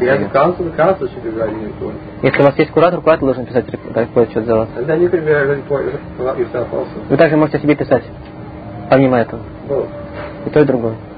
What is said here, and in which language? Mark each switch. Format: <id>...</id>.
<en>If he has a counselor, the counselor should be writing a report.</en> <ru>Если у вас есть куратор, куратор должен писать отчет за вас.</ru> <en>And then you can write a report about yourself also.</en> <ru>Вы также можете себе писать, помимо этого. И то, и другое.</ru>